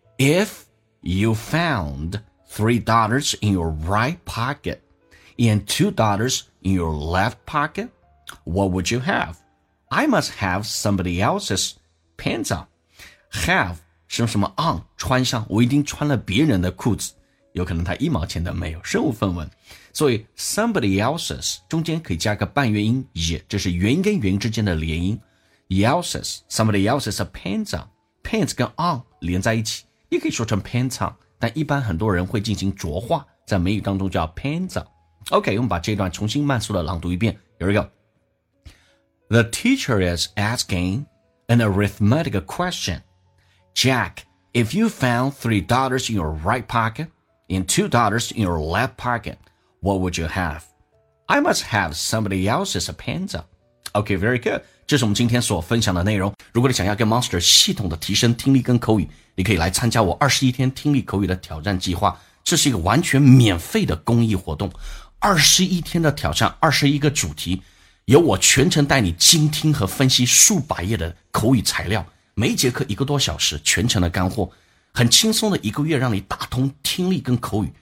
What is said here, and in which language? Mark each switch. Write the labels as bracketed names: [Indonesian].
[English] If you found $3 in your right pocket and $2 in your left pocket, what would you have? I must have somebody else's pants on. [Chinese] Have 什么什么 on 穿上，我一定穿了别人的裤子，有可能他一毛钱都没有，身无分文。所以 [English] somebody else's [Chinese] 中间可以加个半元音 也， 这是元音跟元音之间的连音。 [English] Else's, somebody else's pants on. [Chinese] Pants 跟 on 连在一起，也可以说成 pants on， 但一般很多人会进行浊化，在美语当中叫 pants on. OK, 我们把这段重新慢速的朗读一遍。 [English] Here we go. The teacher is asking an arithmetic question. Jack, if you found $3 in your right pocket and $2 in your left pocket, what would you have? I must have somebody else's pants on. OK, very good. [Chinese] 这是我们今天所分享的内容。如果你想要跟 Monster 系统的提升听力跟口语，你可以来参加我21天听力口语的挑战计划。这是一个完全免费的公益活动。21天的挑战，21个主题，由我全程带你精听和分析数百页的口语材料，每一节课一个多小时，全程的干货，很轻松的一个月让你打通听力跟口语。